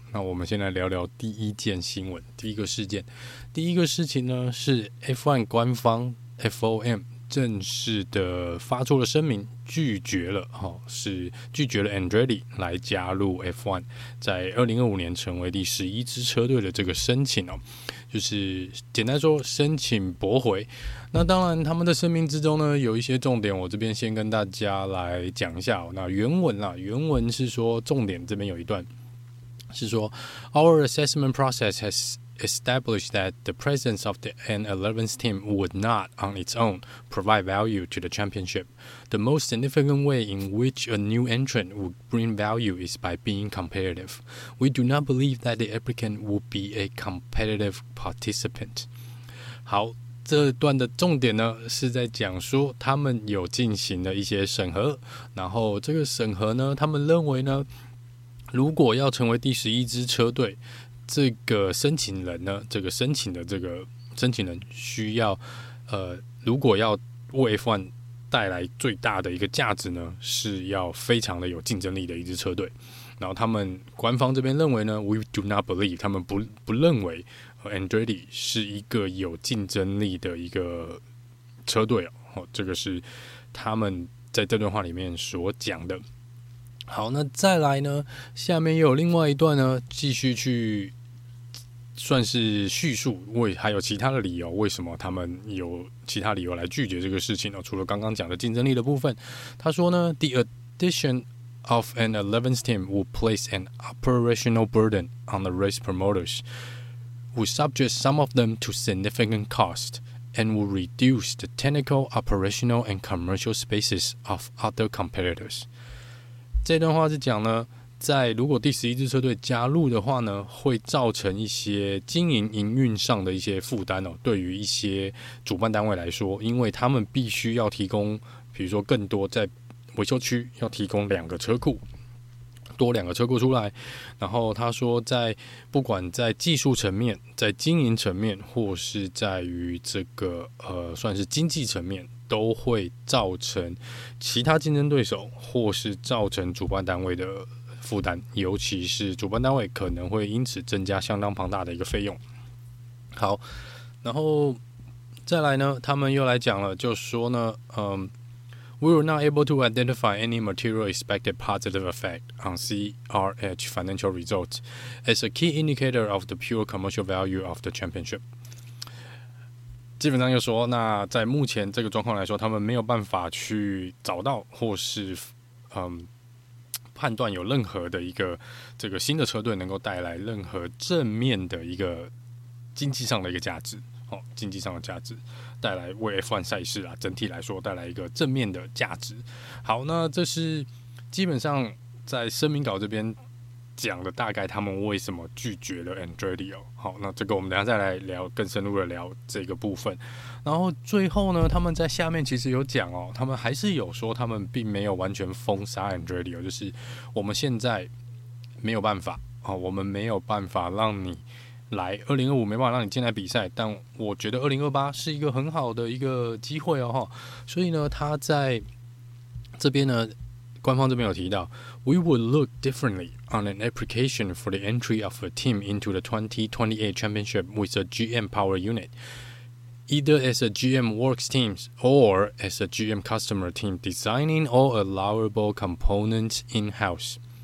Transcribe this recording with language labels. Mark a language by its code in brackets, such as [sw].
[zh] 那我们先来聊聊第一件新闻，第一个事件，第一个事情呢是 F1 官方 FOM 正式的发出了声明，拒绝了 Andretti 来加入 F1， 在2025年成为第11支车队的这个申请哦。就是简单说，申请驳回。那当然，他们的声明之中呢，有一些重点，我这边先跟大家来讲一下、哦。那原文啦、啊，原文是说，重点这边有一段是说 [en] ，Our assessment process has established that the presence of the N11's team would not, on its own, provide value to the championship. The most significant way in which a new entrant would bring value is by being competitive. We do not believe that the applicant would be a competitive participant. [zh] 好，这段的重点呢，是在讲说他们有进行了一些审核，然后这个审核呢，他们认为呢，如果要成为第十一支车队，这个申请人呢，这个申请的这个申请人需要，如果要为 F1 带来最大的一个价值呢，是要非常的有竞争力的一支车队。然后他们官方这边认为呢 ， [en] we do not believe， [zh] 他们不认为 Andretti 是一个有竞争力的一个车队哦。哦，这个是他们在这段话里面所讲的。好，那再来呢，下面又有另外一段呢，继续去算是叙述，还有其他的理由，为什么他们有其他理由来拒绝这个事情呢？除了刚刚讲的竞争力的部分，他说呢，The addition of an 11th team would place an operational burden on the race promoters, would subject some of them to significant cost, and would reduce the technical, operational, and commercial spaces of other competitors. 这段话是讲呢，在如果第十一支车队加入的话呢，会造成一些经营营运上的一些负担哦。对于一些主办单位来说，因为他们必须要提供，比如说更多在维修区要提供两个车库，多两个车库出来。然后他说，在不管在技术层面、在经营层面，或是在于这个算是经济层面。都会造成其他竞争对手或是造成主办单位的负担，尤其是主办单位可能会因此增加相当庞大的一个费用。好，然后再来呢，他们又来讲了，就说呢， [en] We were not able to identify any material expected positive effect on CRH financial results as a key indicator of the pure commercial value of the championship. [zh] 基本上就说，那在目前这个状况来说，他们没有办法去找到或是判断有任何的一个这个新的车队能够带来任何正面的一个经济上的一个价值，哦，经济上的价值带来为 F1 赛事啊整体来说带来一个正面的价值。好，那这是基本上在声明稿这边讲的大概他们为什么拒绝了 Andretti 哦。好，那这个我们等一下再来聊，更深入的聊这个部分。然后最后呢，他们在下面其实有讲哦，他们还是有说他们并没有完全封杀 Andretti 哦，就是我们现在没有办法哦，我们没有办法让你来2025，没办法让你进来比赛，但我觉得2028是一个很好的一个机会哦。所以呢，他在这边呢，官方这边有提到 [en] ，We would look differently on an application for the entry of a team into the 2028 championship with a GM power unit, either as a GM works team or as a GM customer team designing all allowable components in-house.